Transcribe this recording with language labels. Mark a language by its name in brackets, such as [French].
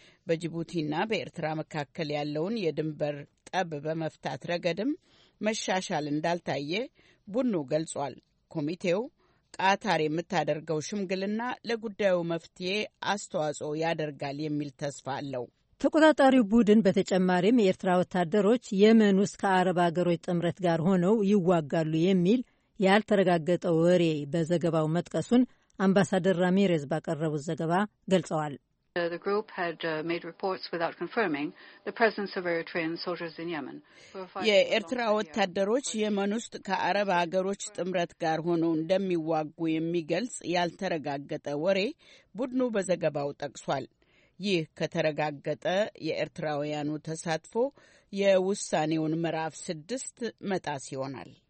[Amharic] በጅቡቲና በኤርትራ መካከል ያለውን የድንበር ጠብ በመፍታት ረገድም መሻሻል እንዳልታየ ቡድኑ ገልጿል። ኮሚቴው ቃታር የምታደርገው ሽምግልና ለጉዳዩ መፍትሄ አስተዋጽኦ ያደርጋል የሚል ተስፋ አለው። ተቆጣጣሪው ቡድን በተጨማሪም የኤርትራ ወታደሮች የመን ውስጥ ከአረብ አገሮች ጥምረት ጋር ሆነው ይዋጋሉ የሚል ያልተረጋገጠ ወሬ በዘገባው መጥቀሱን አምባሳደር ራሚሬዝ ባቀረቡት ዘገባ ገልጸዋል። [English] The group had made reports without confirming the presence of Eritrean soldiers in Yemen. [Amharic] የኤርትራ ወታደሮች የመን ውስጥ ከአረብ ሀገሮች ጥምረት ጋር ሆነው እንደሚዋጉ የሚገልጽ ያልተረጋገጠ ወሬ ቡድኑ በዘገባው ጠቅሷል። ይህ ከተረጋገጠ የኤርትራውያኑ ተሳትፎ የውሳኔውን ምዕራፍ 6 መጣስ ይሆናል።